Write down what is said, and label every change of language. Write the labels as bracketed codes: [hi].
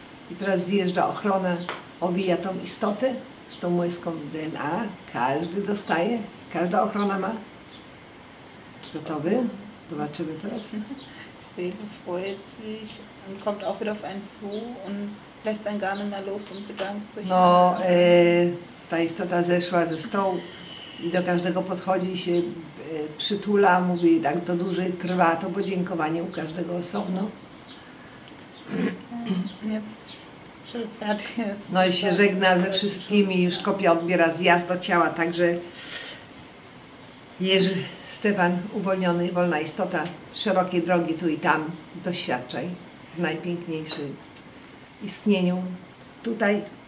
[pl] I teraz zjeżdża ochrona, owija tą istotę z tą młyską DNA. Każdy dostaje, każda ochrona ma. Gotowy? Zobaczymy teraz. [de] Seele freut sich und kommt auch wieder auf einen zu und lässt einen gar nicht mehr los und bedankt sich. [pl] No, ta istota zeszła ze stołu i do każdego podchodzi, się przytula, mówi, tak to dłużej trwa, to podziękowanie u każdego osobno. Więc przywiat jest. No i się żegna ze wszystkimi, już kopia odbiera zjazd do ciała, także Jerzy Stefan, uwolniony, wolna istota, szerokiej drogi tu i tam, doświadczaj w najpiękniejszym istnieniu tutaj.